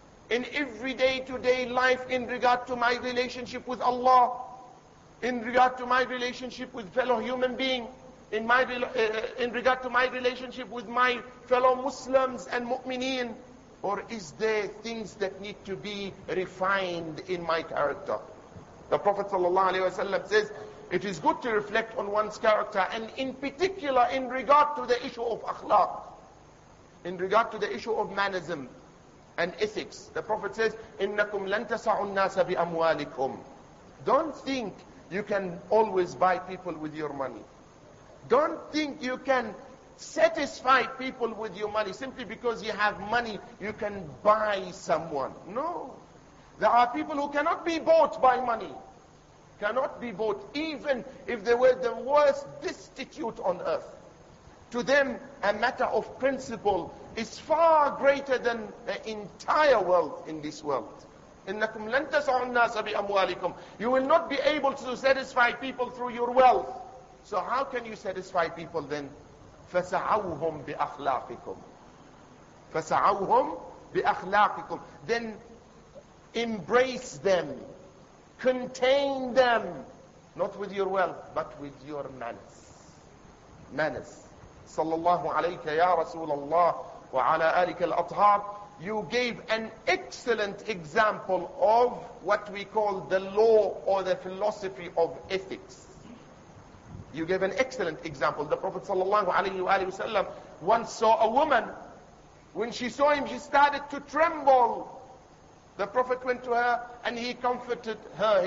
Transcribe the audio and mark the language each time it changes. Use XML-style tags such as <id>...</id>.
<en>In every day-to-day life, in regard to my relationship with Allah, in regard to my relationship with fellow human being, in regard to my relationship with my fellow Muslims and mu'mineen, or is there things that need to be refined in my character? The Prophet ﷺ says, it is good to reflect on one's character, and in particular in regard to the issue of akhlaq, in regard to the issue of mannerism, and ethics. The Prophet says,</en> <ar>إِنَّكُمْ لَنْ تَسَعُوا النَّاسَ بِأَمْوَالِكُمْ.</ar> <en>Don't think you can always buy people with your money. Don't think you can satisfy people with your money. Simply because you have money, you can buy someone. No. There are people who cannot be bought by money. Cannot be bought, even if they were the worst destitute on earth. To them, a matter of principle is far greater than the entire wealth in this world.</en> <ar>إِنَّكُمْ لَنْ تَسْعُوا النَّاسَ بِأَمْوَالِكُمْ.</ar> <en>You will not be able to satisfy people through your wealth. So how can you satisfy people then?</en> <ar>فَسَعَوْهُمْ بِأَخْلَاقِكُمْ. فَسَعَوْهُمْ بِأَخْلَاقِكُمْ.</ar> <en>Then embrace them. Contain them. Not with your wealth, but with your manners. Manners.</en> <ar>صلى الله عليك يا رسول الله وعلى آلك الأطهار.</ar> <en>You gave an excellent example of what we call the law or the philosophy of ethics. You gave an excellent example. The Prophet sallallahu alaihi wasallam once saw a woman. When she saw him, she started to tremble. The Prophet went to her and he comforted her.</en>